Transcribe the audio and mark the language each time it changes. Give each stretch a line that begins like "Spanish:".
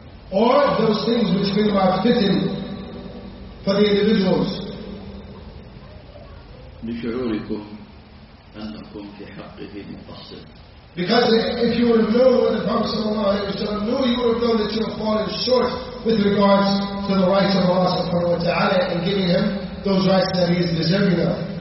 English: Or those things which bring about fitin for the individuals.
Arabic: بشعوركم أنكم في حقه مقصر.
English: Because if you would have known what the Prophet sallallahu alayhi wa sallam knew, you would have known that you have fallen short with regards to the rights of Allah subhanahu wa ta'ala and giving him those rights that he is deserving of.